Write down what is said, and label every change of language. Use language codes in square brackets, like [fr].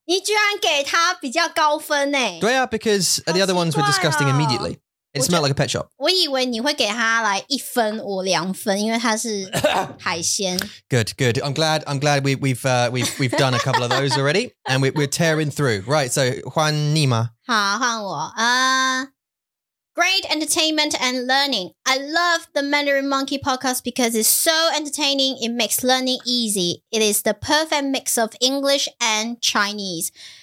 [zh] 你居然给他比较高分耶? 对啊, [en] because the other ones were disgusting immediately. It smelled like a pet shop. [zh] 我以为你会给他来一分五两分，因为它是海鲜。 [en] Good, good. I'm glad we've done a couple of those already, and we're tearing through. Right, so [zh] 换你吗？好，换我。 [en] Great entertainment and learning. I love the Mandarin Monkey podcast because it's so entertaining. It makes learning easy. It is the perfect mix of English and Chinese.